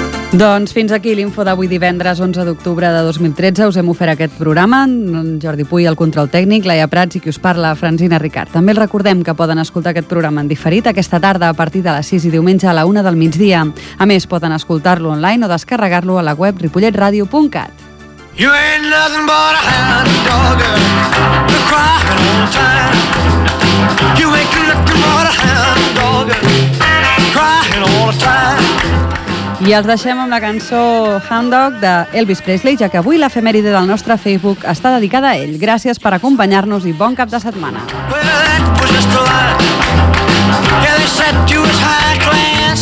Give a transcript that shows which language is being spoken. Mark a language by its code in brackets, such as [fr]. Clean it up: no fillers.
[ca] Doncs fins aquí l'info d'avui divendres 11 d'octubre de 2013. Us hem ofert aquest programa, en Jordi Puy, el control tècnic, Laia Prats i qui us parla, Francina Ricard. També recordem que poden escoltar aquest programa en diferit aquesta tarda a partir de les 6 i diumenge a la 1 del migdia. A més, poden escoltar-lo online o descarregar-lo a la web ripolletradio.cat. [en] You ain't nothing but a hound dog to cry all the time. You ain't nothing but a hound dog to cry all the time. [ca] I els deixem amb la cançó Hound Dog de Elvis Presley, ja que avui l'efemèride del nostre Facebook està dedicada a ell. Gràcies per acompanyar-nos i bon cap de setmana. [en] Well, that was just a lie. Yeah, they set you as high claim.